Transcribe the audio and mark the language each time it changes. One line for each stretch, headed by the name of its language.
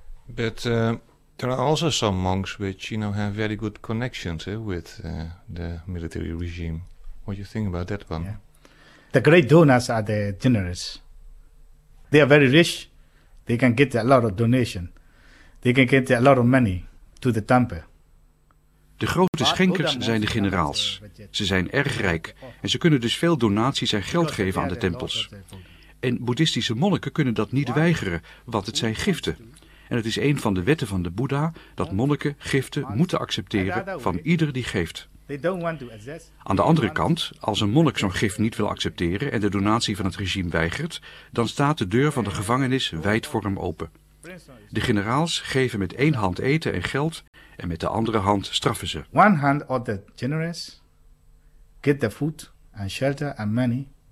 English: But there are also some monks which you know have very good connections with the military regime. What do you think about that one? Yeah. The great donors are the generous. They are very rich. They can get a lot of donation. They can get a lot of money to the temple.
Dutch: De grote schenkers zijn de generaals. Ze zijn erg rijk en ze kunnen dus veel donaties en geld geven aan de tempels. En boeddhistische monniken kunnen dat niet weigeren, want het zijn giften. En het is een van de wetten van de Boeddha dat monniken giften moeten accepteren van ieder die geeft. Aan de andere kant, als een monnik zo'n gift niet wil accepteren en de donatie van het regime weigert, dan staat de deur van de gevangenis wijd voor hem open. De generaals geven met één hand eten en geld en met de andere hand straffen ze.
English: One hand of the generous get the food and shelter and money.